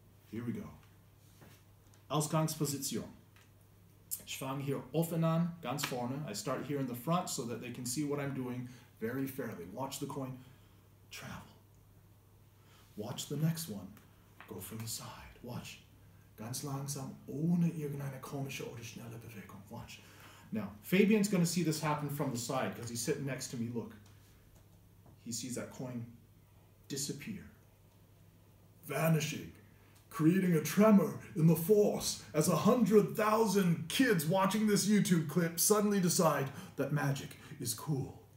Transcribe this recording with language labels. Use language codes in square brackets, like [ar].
[en] Here we go. [de] Ausgangsposition. Ich fange hier offen an, ganz vorne. [en] I start here in the front so that they can see what I'm doing very fairly. Watch the coin travel. Watch the next one go from the side. Watch. [de] Ganz langsam, ohne irgendeine komische oder schnelle Bewegung. [en] Watch. Now, Fabian's going to see this happen from the side because he's sitting next to me. Look. He sees that coin disappear. Vanishing. Creating a tremor in the force as 100,000 kids watching this YouTube clip suddenly decide that magic is cool.